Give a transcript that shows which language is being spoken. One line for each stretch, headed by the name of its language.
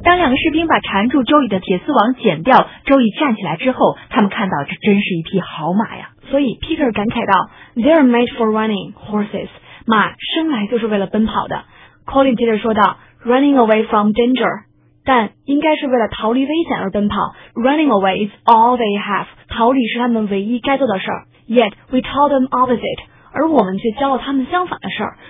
Chinese: 当两个士兵把缠住周乙的铁丝网剪掉，周乙站起来之后，他们看到这真是一匹好马呀。所以
English: Peter
Chinese: 感慨道
English: They are made for running, horses.
Chinese: 马生来就是为了奔跑的。
English: Colin
Chinese: 接着说道
English: Running away from danger.
Chinese: 但应该是为了逃离危险而奔跑。
English: Running away is all they have.
Chinese: 逃离是他们唯一该做的事儿。
English: Yet, we tell them opposite.
Chinese: 而我们却教了他们相反的事儿。